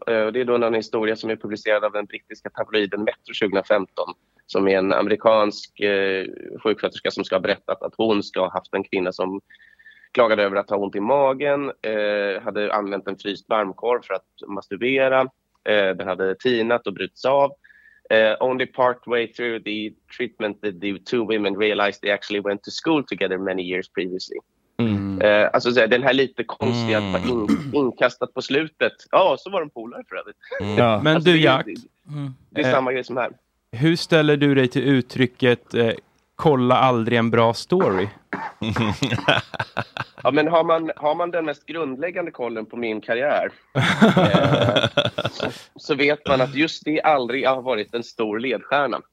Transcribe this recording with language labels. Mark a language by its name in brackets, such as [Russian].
[Swedish] Det är då en historia som är publicerad av den brittiska tabloiden Metro 2015, som är en amerikansk sjuksköterska som ska ha berättat att hon ska ha haft en kvinna som klagade över att ha ont i magen, hade använt en fryst varmkorv för att masturbera, den hade tinat och brutits av. [English] Only partway through the treatment that the two women realized they actually went to school together many years previously. [Swedish] Alltså den här lite konstiga att vara inkastat på slutet. Ja, så var de polare för övrigt. Ja. Men alltså, du, Jack, det är samma grej som här. Hur ställer du dig till uttrycket kolla aldrig en bra story? Ja, men har man den mest grundläggande kollen på min karriär så vet man att just det aldrig har varit en stor ledstjärna.